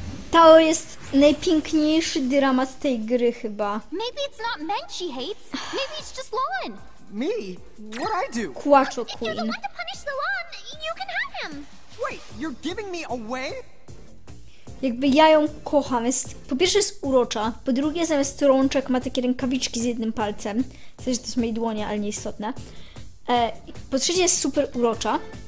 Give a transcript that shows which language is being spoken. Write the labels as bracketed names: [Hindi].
[Polish] To jest najpiękniejszy dramat tej gry chyba. [English] Maybe it's not men she hates. Maybe it's just Lauren. Me? What I do? Quacho Queen. If you don't want to punish Lauren, you can have him. Wait, you're giving me away? [Polish] Jakby ja ją kocham. Jest, po pierwsze jest urocza, po drugie zamiast rączek ma takie rękawiczki z jednym palcem. W sensie to jest mojej dłonie, ale nieistotne. Po trzecie jest super urocza.